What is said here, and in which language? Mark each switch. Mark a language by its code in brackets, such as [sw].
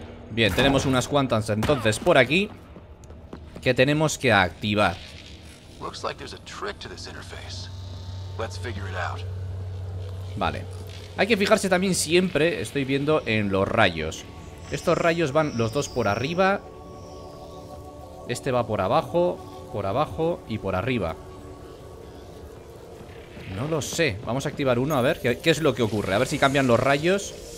[es] Bien, tenemos unas cuantas entonces por aquí que tenemos que activar. [en] Looks like there's a trick to this interface. Let's figure it out. Vale. [es] Hay que fijarse también siempre, estoy viendo, en los rayos. Estos rayos van los dos por arriba. Este va por abajo y por arriba. No lo sé. Vamos a activar uno a ver qué es lo que ocurre. A ver si cambian los rayos.